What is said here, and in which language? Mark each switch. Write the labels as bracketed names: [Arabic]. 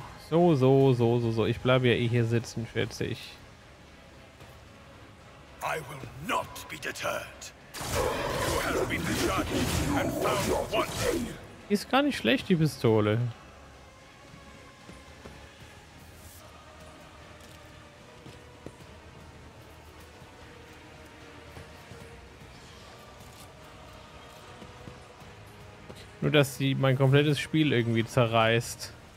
[German] So. Ich bleibe ja eh hier sitzen, schätze ich. [English] I will not be deterred. You have been judged and found wanting. [German] Ist gar nicht schlecht, die Pistole. Nur, dass sie mein komplettes Spiel irgendwie zerreißt.